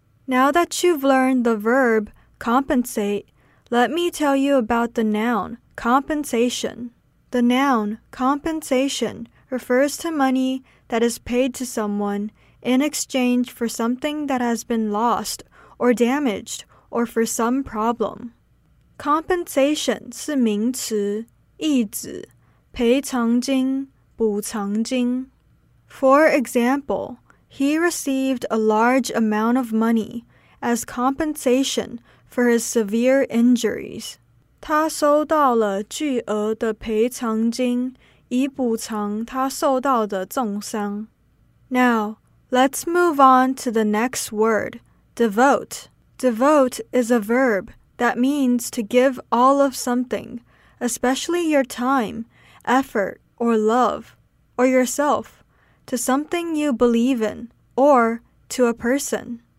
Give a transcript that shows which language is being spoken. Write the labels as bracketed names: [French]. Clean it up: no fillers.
[English] Now that you've learned the verb compensate, let me tell you about the noun compensation. The noun compensation refers to money that is paid to someone in exchange for something that has been lost or damaged or for some problem. [Chinese] Compensation是名词,意指,赔偿金,补偿金. [English] For example, he received a large amount of money as compensation for his severe injuries. [Chinese] 他收到了巨额的赔偿金, 以补偿他受到的重伤. [English] Now, let's move on to the next word, devote. Devote is a verb that means to give all of something, especially your time, effort, or love, or yourself, to something you believe in, or to a person.